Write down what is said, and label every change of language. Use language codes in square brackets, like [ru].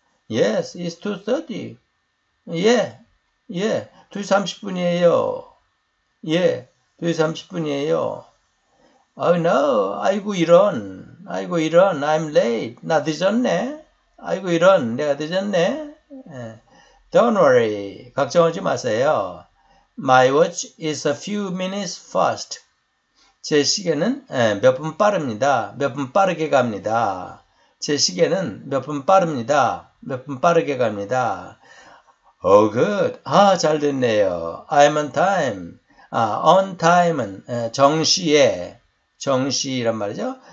[en] Yes, it's 2:30. Yeah, [ko] 2시 30분이에요. [en] Yeah, [ko] 2시 30분이에요. [en] Oh no, [ko] 아이고 이런, 아이고 이런, [en] I'm late. [ko] 나 늦었네. 아이고 이런, 내가 늦었네. [en] Don't worry, [ko] 걱정하지 마세요. [en] My watch is a few minutes fast. [ko] 제 시계는 몇분 빠릅니다. 몇분 빠르게 갑니다. 제 시계는 몇분 빠릅니다. 몇분 빠르게 갑니다. [en] Oh, good. [ko] 잘 됐네요. [en] I'm on time. [ko] On time은 정시에, 정시란 말이죠.